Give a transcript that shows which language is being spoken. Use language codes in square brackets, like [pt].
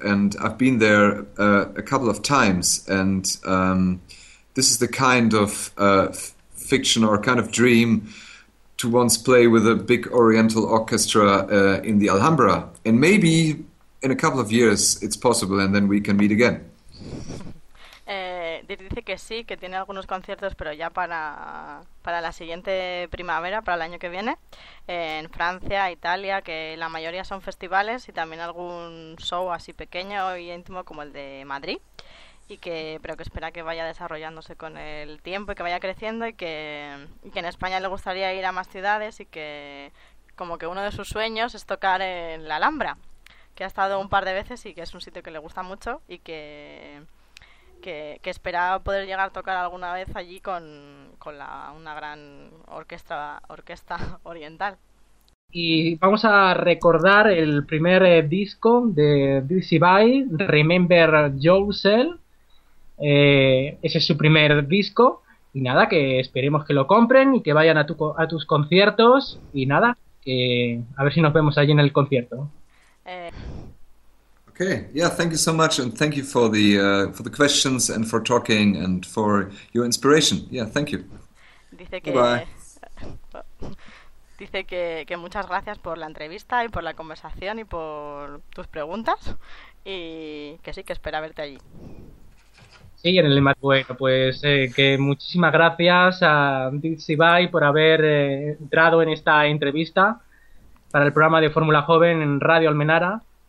[en] And I've been there a couple of times. And this is the kind of fiction or kind of dream. To once play with a big oriental orchestra in the Alhambra. And maybe in a couple of years it's possible, and then we can meet again. [es] Dice que sí, que tiene algunos conciertos, pero ya para la siguiente primavera, para el año que viene, en Francia, Italia, que la mayoría son festivales, y también algún show así pequeño y íntimo como el de Madrid, y que pero que espera que vaya desarrollándose con el tiempo y que vaya creciendo, y que en España le gustaría ir a más ciudades, y que como que uno de sus sueños es tocar en la Alhambra, que ha estado un par de veces y que es un sitio que le gusta mucho, y que esperaba poder llegar a tocar alguna vez allí con una gran orquesta oriental. Y vamos a recordar el primer disco de Dixie Bai, Remember Yourself. Ese es su primer disco. Y nada, que esperemos que lo compren y que vayan a tus conciertos. Y nada, a ver si nos vemos allí en el concierto. [en] Okay, yeah, thank you so much and thank you for the questions and for talking and for your inspiration. Yeah, thank you. [es] Dice [en] Bye bye. [es] que muchas gracias por la entrevista y por la conversación y por tus preguntas, y que sí, que espera verte allí. Sí, en el más bueno, pues que muchísimas gracias a Dixie Bai por haber entrado en esta entrevista para el programa de Fórmula Joven en Radio Almenara.